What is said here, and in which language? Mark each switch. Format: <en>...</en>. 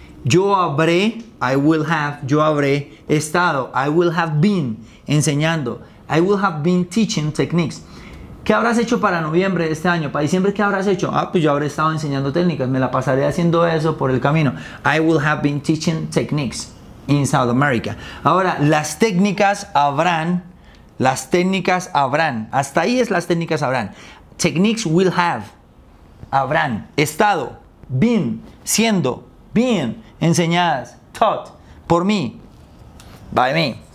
<es>Yo habré estado,</es> <en>I will have been</en> <es>enseñando,</es> <en>I will have been teaching techniques.</en> <es>¿Qué habrás hecho para noviembre de este año? ¿Para diciembre qué habrás hecho? Ah, pues yo habré estado enseñando técnicas, me la pasaré haciendo eso por el camino.</es> <en>I will have been teaching techniques in South America.</en> <es>Ahora, las técnicas habrán, hasta ahí es las técnicas habrán.</es> <en>Techniques will have,</en> <es>habrán, estado,</es> <en>been,</en> <es>siendo,</es> <en>been,</en> <es>enseñadas,</es> <en>taught,</en> <es>por mí,</es> <en>by me.</en>